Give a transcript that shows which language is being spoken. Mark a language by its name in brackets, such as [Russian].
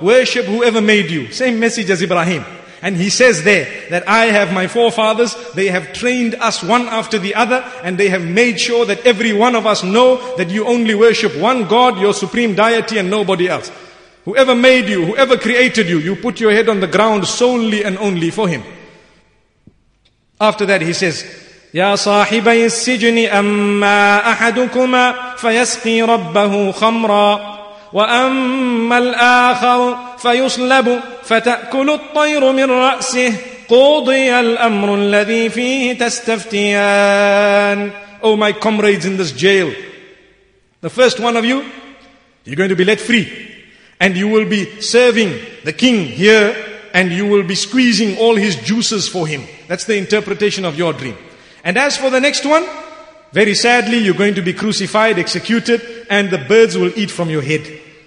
[English] Worship whoever made you. Same message as Ibrahim. And he says there that I have my forefathers, they have trained us one after the other, and they have made sure that every one of us know that you only worship one God, your supreme deity, and nobody else. Whoever made you, whoever created you, you put your head on the ground solely and only for him. After that he says, [Arabic] يا صاحبي السجن أما أحدكما فيسقي ربه خمرا وأما الآخر فيصلب فتأكل الطير من رأسه قضي الأمر الذي فيه تستفتيان. [English] Oh my comrades in this jail, the first one of you, you're going to be let free and you will be serving the king here and you will be squeezing all his juices for him. That's the interpretation of your dream. And as for the next one, very sadly, you're going to be crucified, executed, and the birds will eat from your head.